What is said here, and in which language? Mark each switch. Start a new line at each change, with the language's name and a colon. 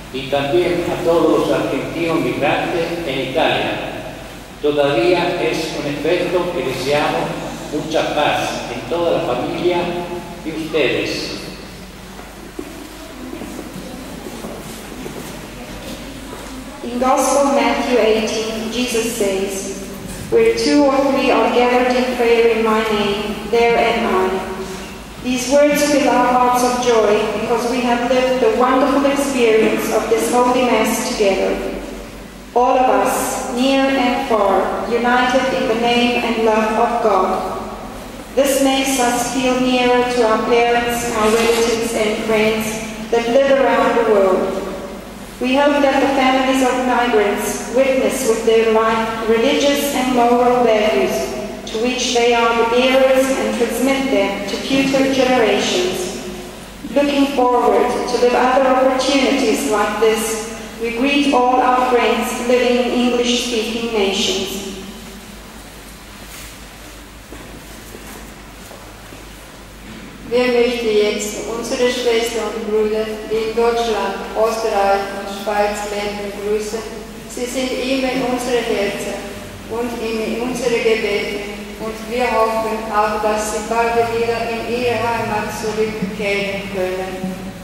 Spanish: También a todos los argentinos migrantes en Italia. Todavía es un efecto que deseamos mucha paz en toda la familia y ustedes.
English: In Gospel Matthew 18, Jesus says, "Where two or three are gathered in prayer in my name, there am I." These words fill our hearts of joy because we have lived the wonderful experience of this Holy Mass together. All of us, near and far, united in the name and love of God. This makes us feel nearer to our parents, our relatives and friends that live around the world. We hope that the families of migrants witness with their life religious and moral values to which they are the bearers and transmit them to future generations. Looking forward to the other opportunities like this, we greet all our friends living in English-speaking nations.
German: Wir möchten jetzt unsere Schwestern und Brüder, die in Deutschland, Österreich und Schweiz leben, grüßen. Sie sind immer in unsere Herzen und in unsere Gebete. Und wir hoffen auch, dass sie bald wieder in ihre Heimat zurückkehren können.